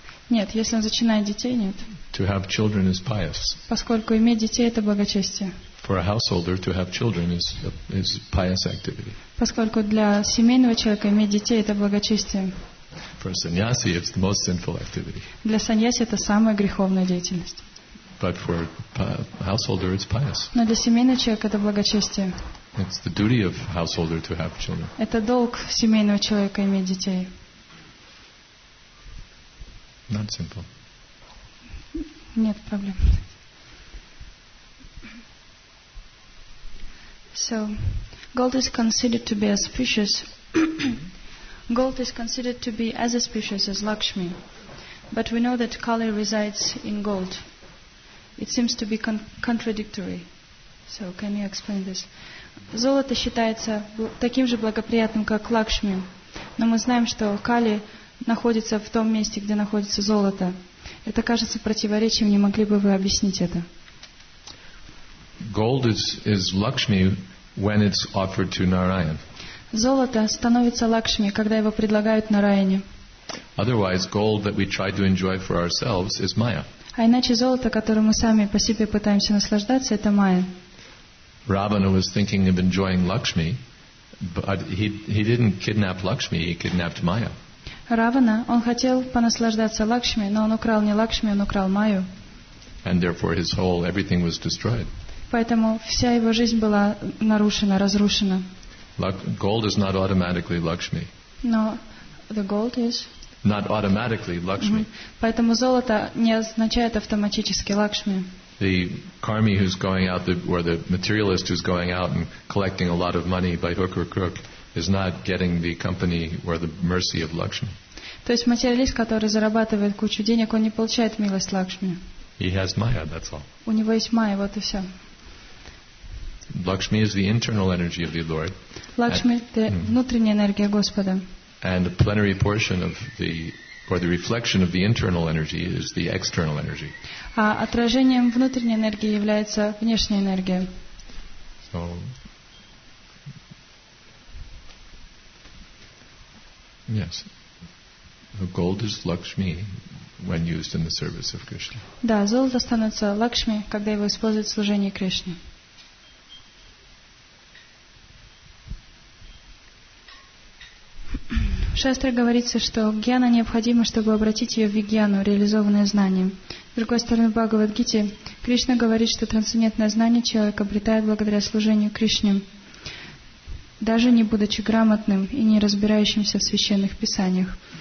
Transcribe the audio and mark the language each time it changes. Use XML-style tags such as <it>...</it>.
<ru>Нет, если он зачинает детей, нет.</ru> <en>To have children is pious.</en> <ru>Поскольку иметь детей – это благочестие.</ru> <en>For a householder to have children is pious activity.</en> <ru>Поскольку для семейного человека иметь детей это благочестие.</ru> <en>For a sannyasi it's the most sinful activity.</en> <ru>Для саньяси это самая греховная деятельность.</ru> <en>But for a householder it's pious.</en> <ru>Но для семейного человека это благочестие.</ru> <en>It's the duty of a householder to have children.</en> <ru>Это долг семейного человека иметь детей.</ru> <en>Not simple.</en> <ru>Нет проблем.</ru> <en>So, gold is considered to be auspicious. Gold is considered to be as auspicious as Lakshmi. But we know that Kali resides in gold. It seems to be contradictory. So can you explain this?</en> <ru>Золото считается таким же благоприятным, как Лакшми. Но мы знаем, что Кали находится в том месте, где находится золото. Это кажется противоречием. Не могли бы вы объяснить это?</ru> <en>Gold is Lakshmi when it's offered to Narayan.</en> <ru>Золото становится Лакшми, когда его предлагают Нараяне.</ru> <en>Otherwise, gold that we try to enjoy for ourselves is Maya.</en> <ru>А иначе золото, которое мы сами по себе пытаемся наслаждаться, это Майя.</ru> <en>Ravana was thinking of enjoying Lakshmi, but he didn't kidnap Lakshmi, he kidnapped Maya.</en> <ru>Ravana, он хотел понаслаждаться Лакшми, но он украл не Лакшми, он украл Майю.</ru> <en>And therefore his whole everything was destroyed.</en> <ru>Поэтому вся его жизнь была нарушена, разрушена.</ru> <en>Gold is not automatically Lakshmi. No, the gold is. Not automatically Lakshmi.</en> <ru>Поэтому золото не означает автоматически Лакшми.</ru> <en>The karmi who's going out, or the materialist who's going out and collecting a lot of money by hook or crook, is not getting the company or the mercy of Lakshmi.</en> <ru>То есть материалист, который зарабатывает кучу денег, он не получает милость Лакшми.</ru> <en>He has Maya, that's all.</en> <ru>У него есть Майя, вот и все.</ru> <en>Lakshmi is the internal energy of the Lord.</en> <ru>Лакшми это внутренняя энергия Господа.</ru> <en>And a plenary portion of the or the reflection of the internal energy is the external energy.</en> <ru>А отражением внутренней энергии является внешняя энергия.</ru> <en>So, yes. The gold is Lakshmi when used in the service of Krishna.</en> <ru>Да, золото становится Лакшми, когда его используют в служении Кришне. Шастра говорится, что гьяна необходима, чтобы обратить ее в вигьяну, реализованное знание. С другой стороны, в Бхагавадгите Кришна говорит, что трансцендентное знание человек обретает благодаря служению Кришне, даже не будучи грамотным и не разбирающимся в священных писаниях.</ru>